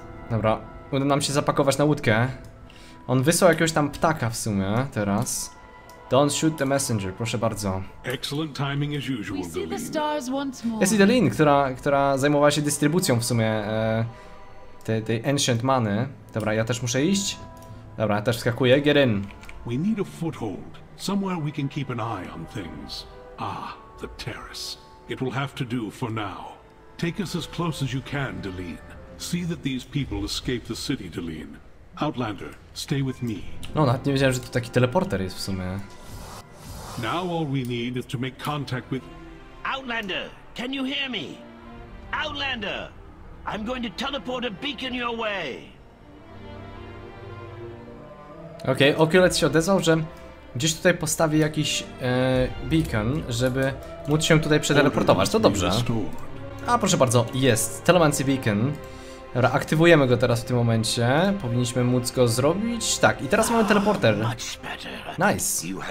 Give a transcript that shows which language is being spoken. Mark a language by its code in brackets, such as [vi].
[pl] Dobra, uda nam się zapakować na łódkę. On wysłał jakiegoś tam ptaka w sumie teraz. [en] Don't shoot the messenger, [pl] proszę bardzo. [en] Excellent timing as usual, Deline. We see the stars once more. [pl] Jest Deline, która zajmowała się dystrybucją w sumie tej ancient many. Dobra, ja też muszę iść. Dobra, ja też wskakuję. [en] Get in. We need a foothold. Somewhere we can keep an eye on things. Ah, the terrace. It will have to do for now. Take us as close as you can, Deline. See that these people escape the city, Deline. Outlander, stay with me. [pl] No, nawet nie wiedziałem, że to taki teleporter jest w sumie. [en] Now all we need is to make contact with... Outlander, can you hear me? Outlander, I'm going to teleport a beacon your way. [pl] Okej, Oculus się odezwał, że gdzieś tutaj postawię jakiś beacon, żeby móc się tutaj przeteleportować. To dobrze. A proszę bardzo, jest Telemancy Beacon. Aktywujemy go teraz w tym momencie. Powinniśmy móc go zrobić. Tak, i teraz mamy teleporter. [en] Nice.